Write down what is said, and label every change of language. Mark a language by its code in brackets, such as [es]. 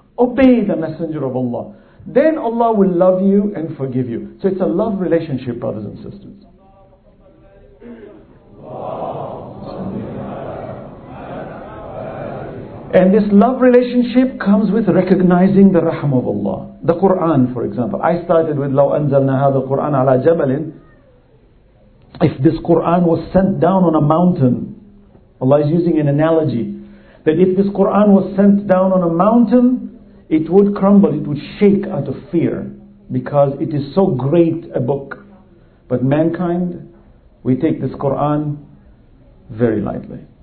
[en] Obey the Messenger of Allah. Then Allah will love you and forgive you. So it's a love relationship, brothers and sisters. And this love relationship comes with recognizing the rahm of Allah. The Quran, for example. I started with [ar] لَوْ أَنزَلْنَا هَذَا الْقُرْآنَ عَلَى جَبَلٍ. [en] If this Quran was sent down on a mountain, Allah is using an analogy, that if this Quran was sent down on a mountain, it would crumble, it would shake out of fear, because it is so great a book. But mankind, we take this Quran very lightly.